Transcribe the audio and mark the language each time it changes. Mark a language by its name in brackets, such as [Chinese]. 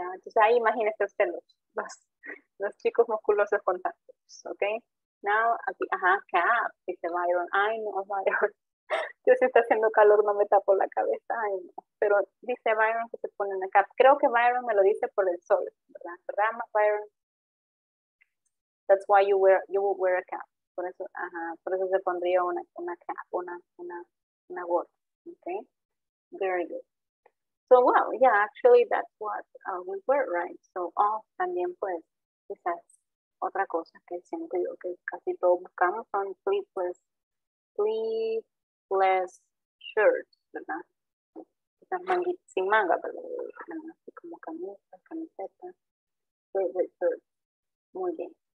[Spanish] Entonces ahí imagínense usted los chicos musculosos con tank tops, ¿ok? Now, aquí, cap, dice Byron. Ay, no, Byron. Yo si está haciendo calor no me tapo la cabeza, ay, no. Pero dice Byron que se pone una cap. Creo que Byron me lo dice por el sol, ¿verdad? [English] Byron, that's why you will wear a cap. [Spanish] Por eso, por eso se pondría una cap, una gorra, okay? [English] Very good. So well, yeah, actually that's what we wear, right? [Spanish] So off también pues, quizás otra cosa que siempre digo que casi todos buscamos son sleeveless. sleeveless shirt, ¿verdad? Esas manguitas sin manga, ¿verdad? Así como camisa, camiseta. Sleeveless shirt. Muy bien.